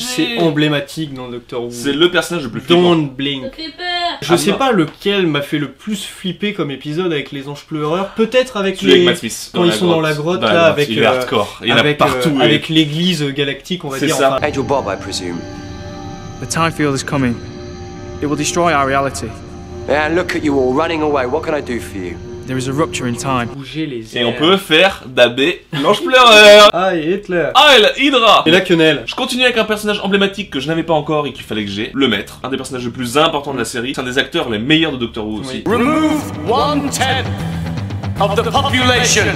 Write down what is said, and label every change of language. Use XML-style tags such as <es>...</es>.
<fr>C'est emblématique dans Doctor Who. C'est le personnage le plus flippant. Don't blink. Je sais pas lequel m'a fait le plus flipper comme épisode avec les anges pleureurs. Peut-être avec celui avec Matt Smith. Quand ils sont dans la grotte, là, avec. Il est hardcore, il y en a partout. Avec l'église galactique, on va dire.</fr> <en>C'est ça. Angel Bob, I presume. The time field is coming. It will destroy our reality. Man, look at you all running away. What can I do for you? There is a rupture in time.</en> <fr>Bouger les airs. Et on peut faire d'Abbé l'ange pleureur. Ah, et Hitler. Ah, et la Hydra. Et la Quenelle. Je continue avec un personnage emblématique que je n'avais pas encore et qu'il fallait que j'aie. Le maître. Un des personnages les plus importants de la série. C'est un des acteurs les meilleurs de Doctor Who aussi.</fr> <en>Remove one tenth of the population.</en>